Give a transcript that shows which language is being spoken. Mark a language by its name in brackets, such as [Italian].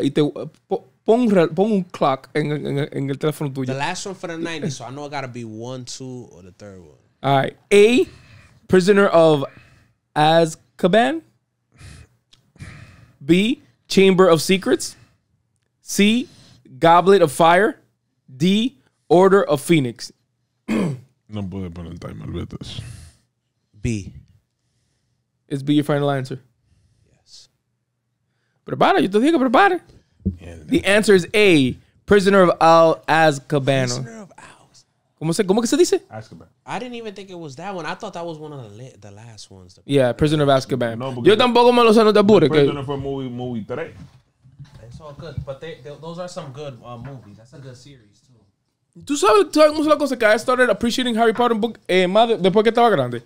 [Spanish] Y te pongo un clock en el teléfono tuyo. [English] The last one for the 90s, so I know it got to be one, two, or the third one. All right. A, Prisoner of Azkaban. B, Chamber of Secrets. C, Goblet of Fire. D, Order of Phoenix. [Spanish] No puedo poner el timer with this. [English] B. Is B your final answer? Yes. Prepara, yo te digo, prepara. The answer is A. Prisoner of Azkaban. Prisoner of Oz. [Spanish] ¿Cómo que se dice? [English] Azkaban. I didn't even think it was that one. I thought that was one of the last ones. [Spanish] Yeah, Prisoner of Azkaban. No, yo tampoco me lo sé, no te apure. [English] Prisoner for movie 3. It's all good, but those are some good movies. That's a good series. [Spanish] ¿Tú sabes la cosa que I started appreciating Harry Potter book después que estaba grande?